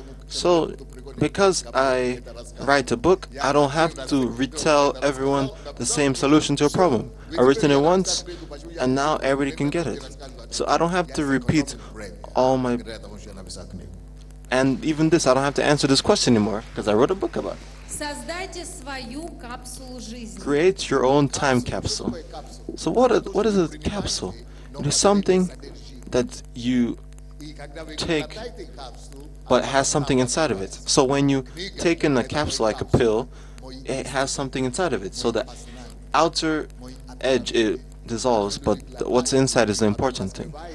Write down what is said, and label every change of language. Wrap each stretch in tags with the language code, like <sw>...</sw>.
<en>So, because I write a book, I don't have to retell everyone the same solution to a problem. I've written it once, and now everybody can get it. So I don't have to repeat all my... And even this, I don't have to answer this question anymore, because I wrote a book about it.</en> <ru>Создайте свою капсулу жизни.</ru> <en>Create your own time capsule. So what is a capsule? It is something that you take but has something inside of it. So when you take in a capsule like a pill, it has something inside of it. So the outer edge, it dissolves, but what's inside is the important thing.</en>